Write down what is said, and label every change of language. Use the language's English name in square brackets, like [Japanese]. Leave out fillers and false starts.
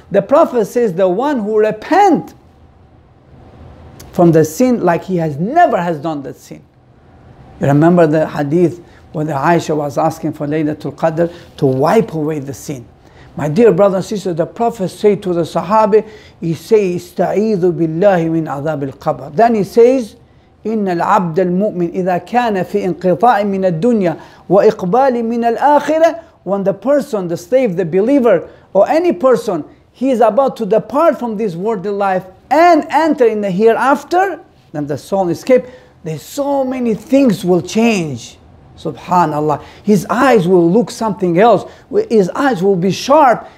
[English] The Prophet says, the one who repent from the sin like he has never has done that sin. You remember the hadith when the Aisha was asking for Laylatul Qadr to wipe away the sin. My dear brother and sister, the Prophet said to the Sahabi, he says, Ista'idhu billahi min adhab al-qabr. Then he says, [Arabic] إن العبد المؤمن إذا كان في انقطاع من الدنيا وإقبال من الآخرة. [English] When the person, the slave, the believer, or any person, he is about to depart from this worldly life and enter in the hereafter, then the soul escape, there's so many things will change. Subhanallah. His eyes will look something else. His eyes will be sharp.